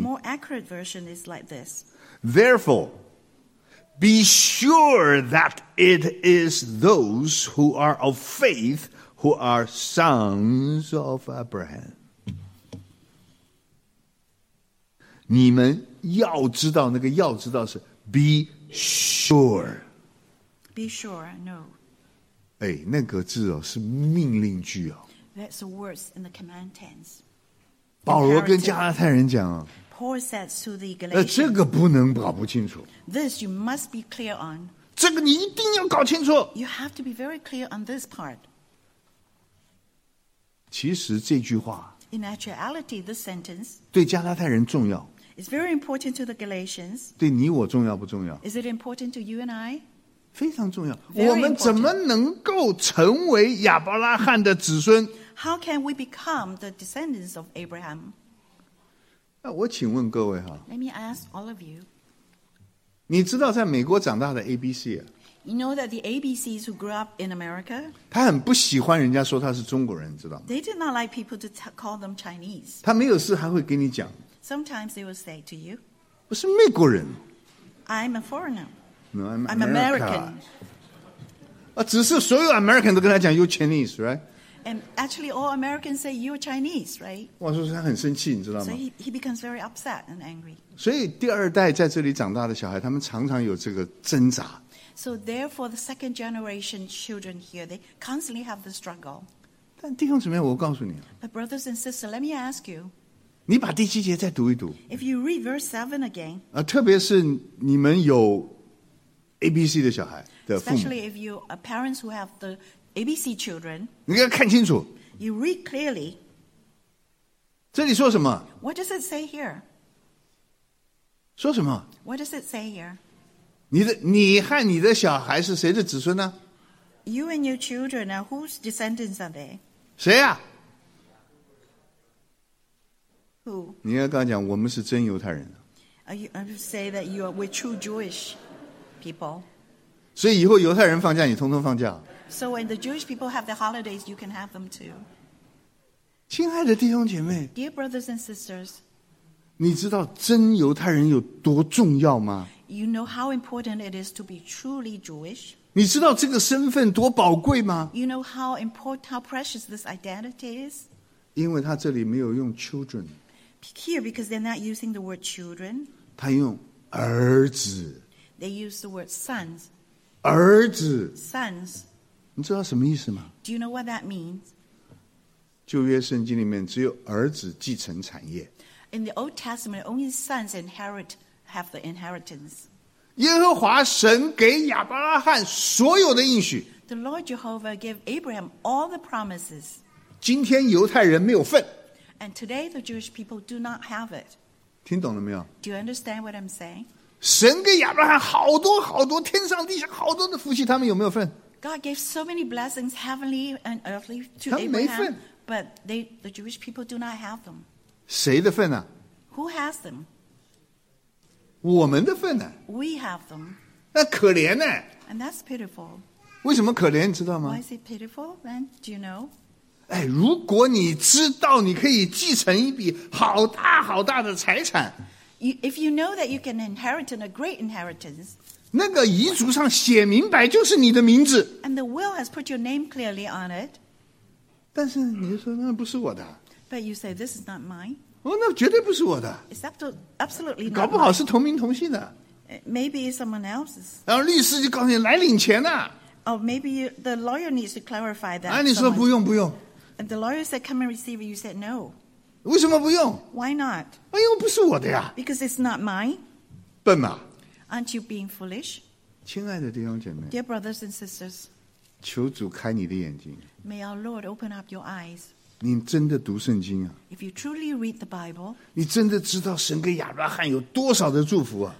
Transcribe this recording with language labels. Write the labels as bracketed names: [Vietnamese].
[English] The more accurate version is like this. Therefore, be sure that it is those who are of faith who are sons of Abraham. [Chinese] 你们要知道，那个要知道是 [English] be sure. Be sure, no. [Chinese] 哎，那个字哦，是命令句哦。 [English] That's the words in the command tense. [Chinese] 保罗跟加拉太人讲啊。 [English] Paul says to the Galatians. [Chinese] 这个不能搞不清楚。 [English] This you must be clear on. [Chinese] 这个你一定要搞清楚。 [English] You have to be very clear on this part. [Chinese] 其实这句话。 [English] In actuality, this sentence. [Chinese] 对加拉太人重要。 [English] It's very important to the Galatians. [Chinese] 对你我重要不重要 [English] ？Is it important to you and I? [Chinese] 非常重要我们怎么能够成为亚伯拉罕的子孙 [English] How can we become the descendants of Abraham? [Chinese] 那我请问各位 [English] Let me ask all of you [Chinese] 你知道在美国长大的 ABC、啊、 [English] You know that the ABCs who grew up in America [Chinese] 他很不喜欢人家说他是中国人知道吗 [English] They did not like people to call them Chinese [Chinese] 他没有事还会给你讲 [English] Sometimes they will say to you [Chinese] 我是美国人 [English] I'm a foreigner No, I'm American. [Chinese] 只是所有 American 都跟他讲 [English] You're Chinese, right? And actually all Americans say you're Chinese, right? [Chinese] 我说他很生气你知道吗 [English] So he becomes very upset and angry. [Chinese] 所以第二代在这里长大的小孩他们常常有这个挣扎 [English] So therefore the second generation children here they constantly have the struggle. [Chinese] 但弟兄姊妹我告诉你 [English] But brothers and sisters, let me ask you. [Chinese] 你把第七节再读一读 [English] If you read verse 7 again. [Chinese] 特别是你们有ABC 的小孩的父母 [English] Especially if you are parents who have the ABC children [Chinese] 你要看清楚 [English] You read clearly [Chinese] 这里说什么 [English] What does it say here? [Chinese] 说什么 [English] What does it say here? [Chinese] 你和你的小孩是谁的子孙呢 [English] You and your children are whose descendants are they? [Chinese] 谁啊 [English] Who? [Chinese] 你要跟他讲我们是真犹太人 [English] You say that you are with true Jewish people. [Chinese] 所以以后犹太人放假你通通放假 [English] So when the Jewish people have their holidays you can have them too [Chinese] 亲爱的弟兄姐妹 [English] Dear brothers and sisters [Chinese] 你知道真犹太人有多重要吗 [English] You know how important it is to be truly Jewish [Chinese] 你知道这个身份多宝贵吗 [English] You know how important, how precious this identity is [Chinese] 因为他这里没有用 children [English] Here because they're not using the word children [Chinese] 他用儿子 [English] They use the word sons. [Chinese] 儿子 [English] Sons. [Chinese] 你知道什么意思吗？ [English] Do you know what that means? [Chinese] 旧约圣经里面只有儿子继承产业。 [English] In the Old Testament, only sons inherit have the inheritance. [Chinese] 耶和华神给亚伯拉罕所有的应许。 [English] The Lord Jehovah gave Abraham all the promises. [Chinese] 今天犹太人没有份。 [English] And today the Jewish people do not have it. [Chinese] 听懂了没有？ [English] Do you understand what I'm saying? [Chinese] 神给亚伯拉罕好多好多天上地下好多的福气，他们有没有份？ [English] God gave so many blessings, heavenly and earthly, to Abraham, but the Jewish people do not have them. [Chinese] 谁的份呢？ [English] Who has them? [Chinese] 我们的份呢？ [English] We have them. [Chinese] 那可怜呢？ [English] And that's pitiful. [Chinese] 为什么可怜？你知道吗？ [English] Why is it pitiful? Then do you know? [Chinese] 哎，如果你知道你可以继承一笔好大好大的财产， [English] if you know that you can inherit a great inheritance. [Chinese] 那个遗嘱上写明白就是你的名字。 [English] And the will has put your name clearly on it. [Chinese] 但是你说那不是我的。 [English] But you say this is not mine. [Chinese] 哦，那绝对不是我的。 [English] It's absolutely not. [Chinese] 搞不好是同名同姓的。 [English] Maybe it's someone else's. [Chinese] 然后律师就告诉你来领钱呢。 [English] Oh, maybe the lawyer needs to clarify that. [Chinese] 啊，你说不用不用。 [English] And the lawyer said, "Come and receive it." You said no. [Chinese] 为什么不用 [English] ？Why not? [Chinese] 哎呦，不是我的呀。 [English] Because it's not mine. [Chinese] 笨嘛。 [English] Aren't you being foolish? [Chinese] 亲爱的弟兄姐妹， [English] Dear brothers and sisters, [Chinese] 求主开你的眼睛。 [English] May our Lord open up your eyes. [Chinese] 你真的读圣经啊？ [English] If you truly read the Bible, [Chinese] 你真的知道神给亚伯拉罕有多少的祝福啊？